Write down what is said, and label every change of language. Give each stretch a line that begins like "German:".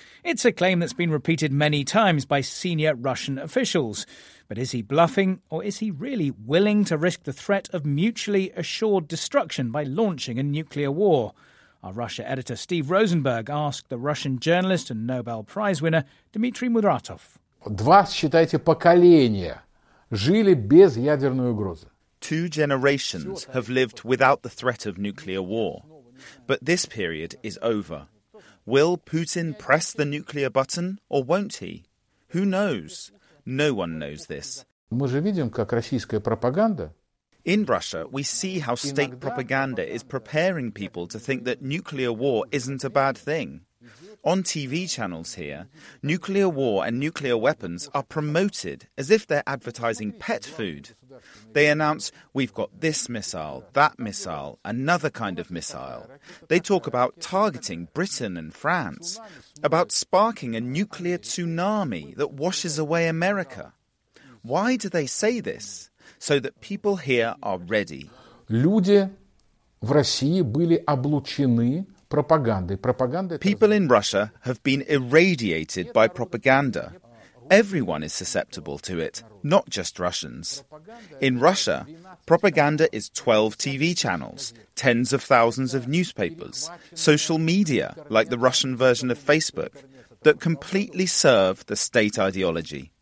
English: It's a claim that's been repeated many times by senior Russian officials. But is he bluffing, or is he really willing to risk the threat of mutually assured destruction by launching a nuclear war? Our Russia editor Steve Rosenberg asked the Russian journalist and Nobel Prize winner Dmitry Mudratov.
Russian: Два, считайте, поколения жили без ядерной угрозы.
English: Two generations have lived without the threat of nuclear war. But this period is over. Will Putin press the nuclear button or won't he? Who knows? No one knows this.
Russian: Мы же видим, как российская пропаганда.
English: In Russia, we see how state propaganda is preparing people to think that nuclear war isn't a bad thing. On TV channels here, nuclear war and nuclear weapons are promoted as if they're advertising pet food. They announce, we've got this missile, that missile, another kind of missile. They talk about targeting Britain and France, about sparking a nuclear tsunami that washes away America. Why do they say this? So that people here are ready.
Russian: Люди в России были облучены пропагандой.
English: People in Russia have been irradiated by propaganda. Everyone is susceptible to it, not just Russians. In Russia, propaganda is 12 TV channels, tens of thousands of newspapers, social media, like the Russian version of Facebook, that completely serve the state ideology.